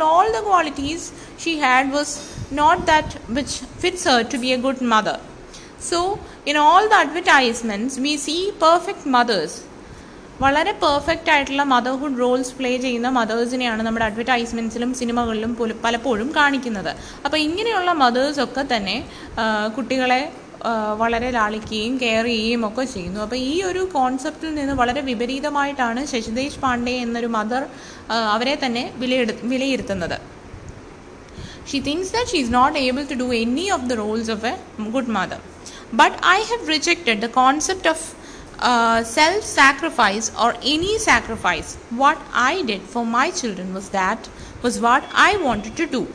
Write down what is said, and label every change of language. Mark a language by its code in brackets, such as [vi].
[en] All the qualities she had was not that which fits her to be a good mother. So in all the advertisements, we see perfect mothers. [ml] വളരെ perfect ആയിട്ടുള്ള motherhood Rolls play ചെയ്യുന്ന മദേഴ്സിനെയാണ് നമ്മുടെ അഡ്വർടൈസ്മെൻസിലും സിനിമകളിലും പലപ്പോഴും കാണിക്കുന്നത്. അപ്പോൾ ഇങ്ങനെയുള്ള മദേഴ്സൊക്കെ തന്നെ കുട്ടികളെ വളരെ ലാളിക്കുകയും കെയർ ചെയ്യുകയും ഒക്കെ ചെയ്യുന്നു. അപ്പോൾ ഈ ഒരു കോൺസെപ്റ്റിൽ നിന്ന് വളരെ വിപരീതമായിട്ടാണ് ശശിദേശ് പാണ്ഡെ എന്നൊരു മദർ അവരെ തന്നെ വിലയിരുത്തുന്നത്. [en] She thinks that she is not able to do any of the roles of a good mother. But I have rejected the concept of self-sacrifice or any sacrifice. What I did for my children was what I wanted to do.